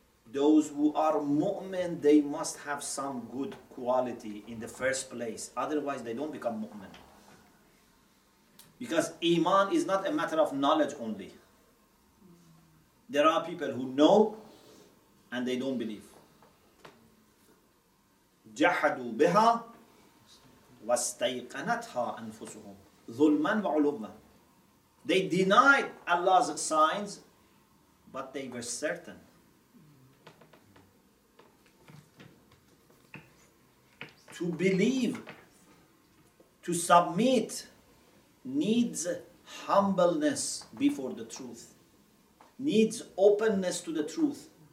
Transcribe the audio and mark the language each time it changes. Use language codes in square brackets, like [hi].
[en] Those who are mu'min, they must have some good quality in the first place. Otherwise, they don't become mu'min. Because iman is not a matter of knowledge only. There are people who know, and they don't believe. [ar] جحدوا بها واستيقنتها أنفسهم ظلما وعلوما. [en] They denied Allah's signs, but they were certain. To believe, to submit needs humbleness before the truth, needs openness to the truth.